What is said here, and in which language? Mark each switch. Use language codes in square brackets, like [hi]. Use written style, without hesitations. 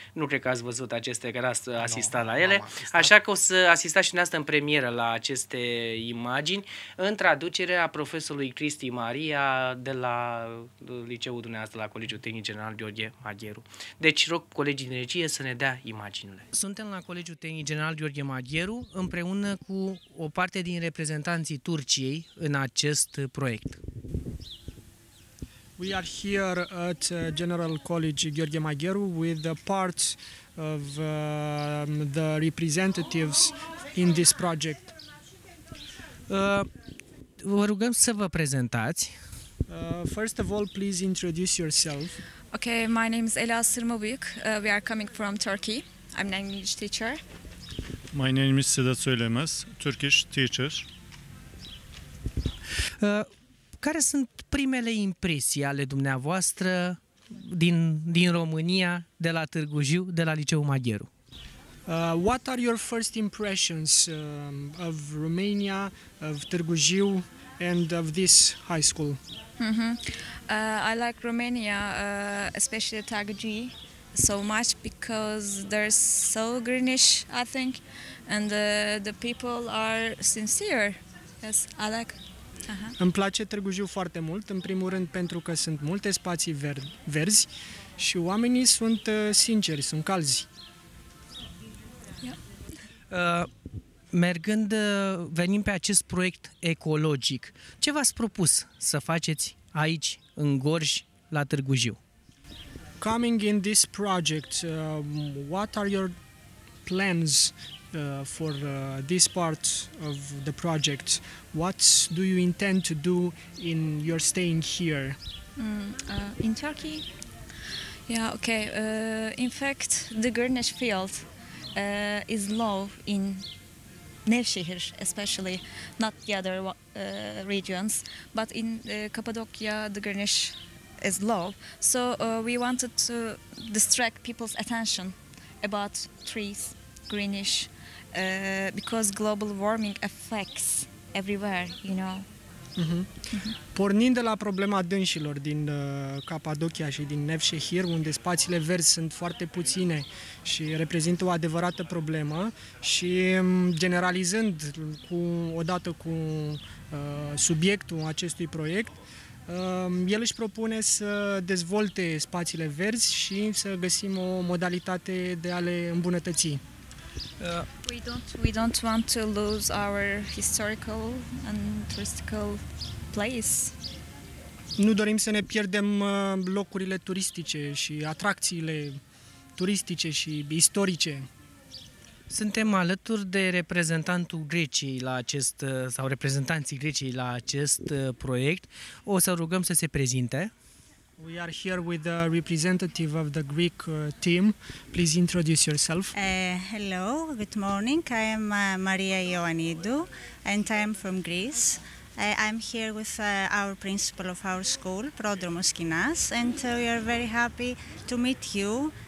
[ro] Nu cred că ați văzut aceste, că ați asistat la ele. Așa că o să asistați și dumneavoastră în premieră la aceste imagini, în traducerea profesorului Cristi Maria de la liceul dumneavoastră, la Colegiul Tehnic General Gheorghe Magheru. Deci rog colegii din regie să ne dea imaginile. Suntem la Colegiul Tehnic General Gheorghe Magheru împreună cu o parte din reprezentanții Turciei în acest proiect. [en] We are here at General College Gheorghe Magheru with the part of the representatives in this project. [ro] Vă rugăm să vă prezentați. [en] First of all, please introduce yourself. Okay, my name is Ela Sırmabıyık. We are coming from Turkey. I'm an English teacher. My name is Sedat Söylemez, Turkish teacher. [ro] Care sunt primele impresii ale dumneavoastră din România, de la Târgu Jiu, de la Liceul Magheru? [en] What are your first impressions of Romania, of Târgu Jiu and of this high school? Mm-hmm. I like Romania, especially Târgu Jiu, so much because they're so greenish, I think, and the people are sincere. Yes, I like. Aha. [ro] Îmi place Târgu Jiu foarte mult, în primul rând pentru că sunt multe spații verzi și oamenii sunt sinceri, sunt calzi. Yeah. Mergând, venim pe acest proiect ecologic. Ce v-ați propus să faceți aici, în Gorj, la Târgu Jiu? [en] Coming in this project, what are your plans for this part of the project? What do you intend to do in your staying here? In Turkey? Yeah, okay. In fact, the greenish field is low in Nevşehir, especially, not the other regions, but in Cappadocia the greenish is low. So we wanted to distract people's attention about trees, greenish, because global warming affects everywhere, you know. Mm-hmm. [ro] Pornind de la problema dânșilor din Capadocia și din Nevşehir, unde spațiile verzi sunt foarte puține și reprezintă o adevărată problemă, și generalizând odată cu subiectul acestui proiect, el își propune să dezvolte spațiile verzi și să găsim o modalitate de a le îmbunătăți. [en] We don't want to lose our historical and touristical place. [ro] Nu dorim să ne pierdem locurile turistice și atracțiile turistice și istorice. Suntem alături de reprezentantul Greciei la acest, sau reprezentanții Greciei la acest proiect. O să rugăm să se prezinte. [en] We are here with the representative of the Greek team. Please introduce yourself. Hello, good morning. I am Maria Ioannidou and I am from Greece. I'm here with our principal of our school, Prodromos Kinas, and we are very happy to meet you.